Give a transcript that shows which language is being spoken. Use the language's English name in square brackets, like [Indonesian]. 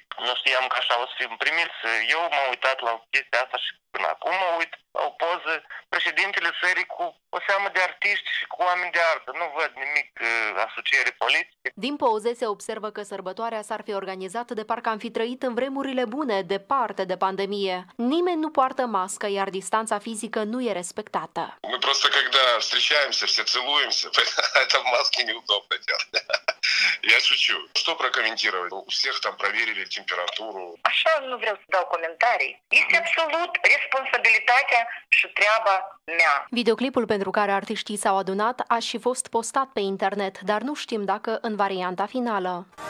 [Romanian] Nu știam că așa o să fim primiți. Eu m-am uitat la chestia asta și până acum mă uit la o poză președintele țării cu o seamă de artiști și cu oameni de artă. Nu văd nimic asociere politică. Din poze se observă că sărbătoarea s-ar fi organizată de parcă am fi trăit în vremurile bune, departe de pandemie. Nimeni nu poartă mască, iar distanța fizică nu e respectată. [Russian] Мы просто когда встречаемся, все целуемся, поэтому маски неудобно делать. Я шучу. Что прокомментировать? У всех там проверили температуру. А что он не вряд дал комментарий? Есть абсолют [Romanian] responsabilitatea și treaba mea. Videoclipul pentru care artiștii s-au adunat a și fost postat pe internet, dar nu știm dacă în varianta finală.